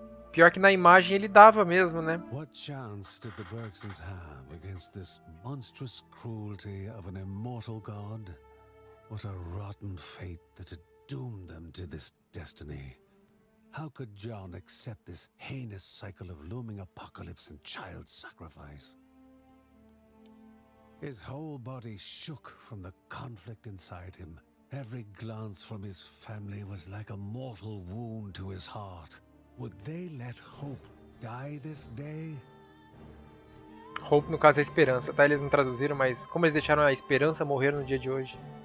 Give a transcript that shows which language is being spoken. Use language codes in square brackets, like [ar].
[en] Pior que na imagem ele dava mesmo, né? What chance did the Bergsons have against this monstrous cruelty of an immortal god? What a rotten fate that had doomed them to this destiny. How could John accept this heinous cycle of looming apocalypse and child sacrifice? His whole body shook from the conflict inside him. Every glance from his family was like a mortal wound to his heart. Would they let hope die this day? [pt] Hope, no caso, é esperança, tá? Eles não traduziram, mas como eles deixaram a esperança morrer no dia de hoje?